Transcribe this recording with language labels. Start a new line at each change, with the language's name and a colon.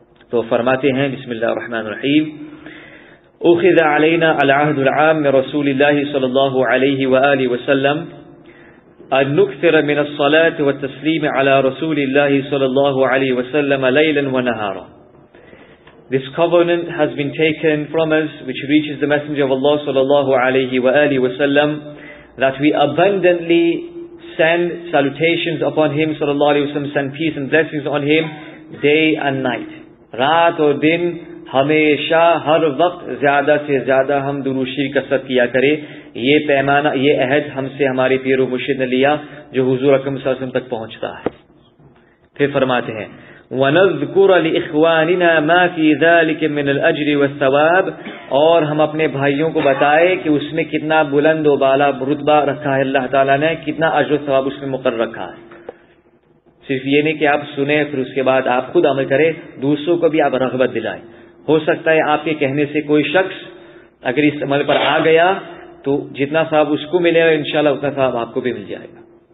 Urdu: تو فرماتے ہیں
Arabic: بسم اللہ الرحمن الرحیم اخذ علینا العہد العام من رسول اللہ صلی اللہ علیہ وآلہ وسلم ان نكثر من الصلاة والتسليم على رسول الله صلى الله عليه وسلم ليلا ونهارا.
English: This covenant has been taken from us, which reaches the Messenger of Allah صلى الله عليه وآله وسلم, that we abundantly send salutations upon him صلى الله عليه وسلم, send peace and blessings on him day and night.
Urdu: رات اور دن ہمیشہ ہر وقت زیادہ سے زیادہ ہم درود شریف کثرت کیا کرے یہ پیمانہ یہ عہد ہم سے ہمارے پیر و مرشد نے لیا جو حضور اکرم صلی اللہ علیہ وسلم تک پہنچتا ہے پھر فرماتے ہیں
Arabic: وَنَذْكُرَ لِإِخْوَانِنَا مَا فِي ذَلِكَ مِنَ الْأَجْرِ وَالثَّوَابِ
Urdu: اور ہم اپنے بھائیوں کو بتائے کہ اس میں کتنا بلند و بالا رتبہ رکھا ہے اللہ تعالیٰ نے کتنا اجر و ثواب اس میں مقرر رکھا ہے صرف یہ نہیں کہ آپ سنیں پھر اس کے بعد آپ خود عمل کریں دوسروں کو بھی آپ رغبت دلائیں ہو سکتا ہے آپ کے کہنے سے کوئی شخص اگر اس عمل پر آ گیا تو جتنا ثواب اس کو ملے گا انشاءاللہ اتنا ثواب آپ کو بھی مل جائے گا